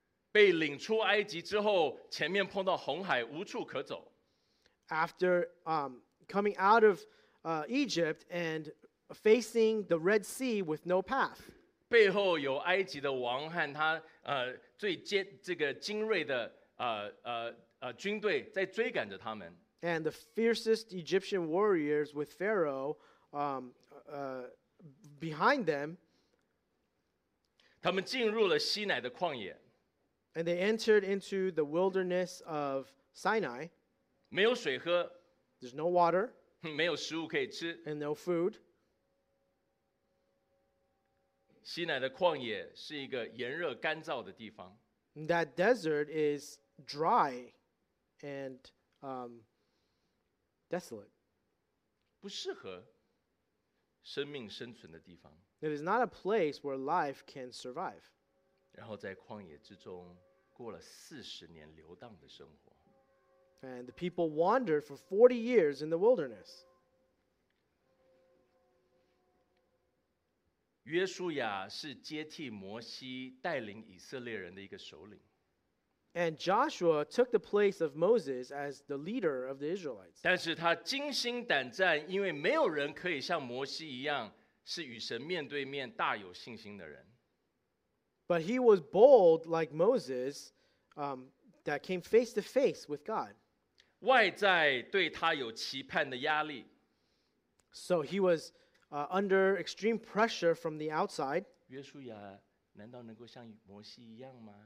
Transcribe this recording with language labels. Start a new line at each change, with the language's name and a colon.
Chinese: 被领出埃及之后，前面碰到红海，无处可走。
English: After coming out of Egypt and facing the Red Sea with no path.
Chinese: 背后有埃及的王和他军队在追赶着他们。
English: And the fiercest Egyptian warriors with Pharaoh behind them.
Chinese: 他们进入了西乃的旷野。
English: And they entered into the wilderness of Sinai.
Chinese: 没有水喝。
English: There's no water.
Chinese: 没有食物可以吃。
English: And no food.
Chinese: 西乃的旷野是一个炎热干燥的地方。
English: That desert is dry. And desolate.
Chinese: 不适合生命生存的地方。
English: It is not a place where life can survive.
Chinese: 然后在旷野之中过了40年流荡的生活。
English: And the people wandered for 40 years in the wilderness.
Chinese: 约书亚是接替摩西带领以色列人的一个首领。
English: And Joshua took the place of Moses as the leader of the Israelites.
Chinese: 但是他惊心胆战，因为没有人可以像摩西一样，是与神面对面大有信心的人。
English: But he was bold like Moses, that came face to face with God.
Chinese: 外在对他有期盼的压力。
English: So he was under extreme pressure from the outside.
Chinese: 约书亚难道能够像摩西一样吗？